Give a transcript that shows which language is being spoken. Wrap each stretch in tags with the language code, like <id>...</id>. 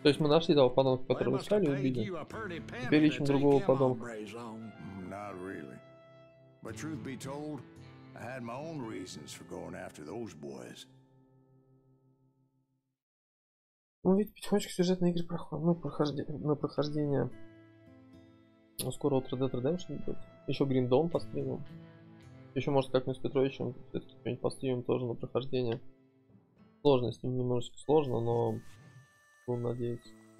<ru>То есть мы нашли того подонка, которого искали, убили. Теперь ищем другого подонка.</ru> <en>Not really. But truth be told, I had my own reasons for going after those boys.</en> <ru>Ну, ведь потихонечку сюжетные игры проходят. Ну, прохождение. Ну, скоро вот Red Dead Redemption будет. Еще Green Dawn постримим. Еще, может, как-нибудь с Петровичем что-нибудь постримим тоже на прохождение. Сложно, с ним немножечко сложно, но... Буду надеяться.</ru>